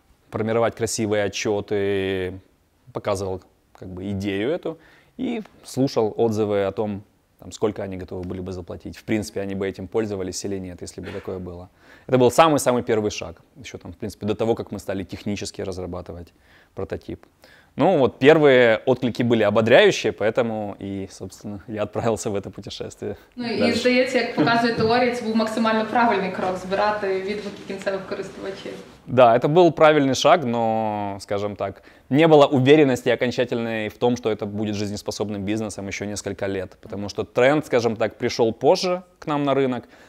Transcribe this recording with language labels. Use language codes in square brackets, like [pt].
[ru] формировать красивые отчеты, показывал как бы идею эту и слушал отзывы о том, там, сколько они готовы были бы заплатить. В принципе, они бы этим пользовались или нет, если бы такое было. Это был самый-самый первый шаг. Еще там, в принципе, до того, как мы стали технически разрабатывать прототип. Ну, вот первые отклики были ободряющие, поэтому и, собственно, я отправился в это путешествие. [uk] Ну, и, здається, як показує теорія, це був максимально правильний крок збирати відгуки кінцевих користувачів. [ru] Да, это был правильный шаг, но, скажем так, не было уверенности окончательной в том, что это будет жизнеспособным бизнесом еще несколько лет, потому что тренд, скажем так, пришел позже к нам на рынок.